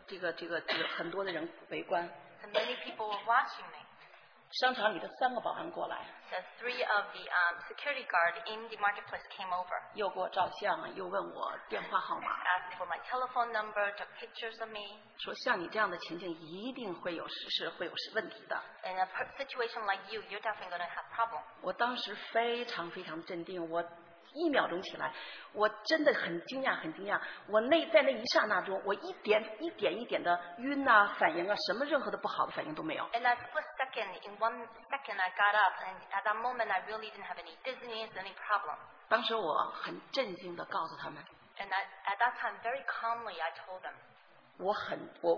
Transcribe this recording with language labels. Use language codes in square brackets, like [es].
[zh] 这时候围观了很多的很多的人围观。 [en] So many people were watching me. [zh] 商场里的3个保安过来。 [en] So three of the security guard in the marketplace came over. [zh] 又给我照相，又问我电话号码。 [en] Asked for my telephone number, took pictures of me. [zh] 说像你这样的情形一定会有问题的。 [en] In a situation like you, you're definitely going to have problems. [zh] 我当时非常非常镇定，我一秒钟起来，我真的很惊讶，很惊讶。我那在那一刹那中，我一点一点的晕呐、反应啊，什么任何的不好的反应都没有。 [en] And at that second, in 1 second, I got up, and at that moment, I really didn't have any dizziness, any problem. [zh] 当时我很镇静地告诉他们。 [en] And at that time, very calmly, I told them.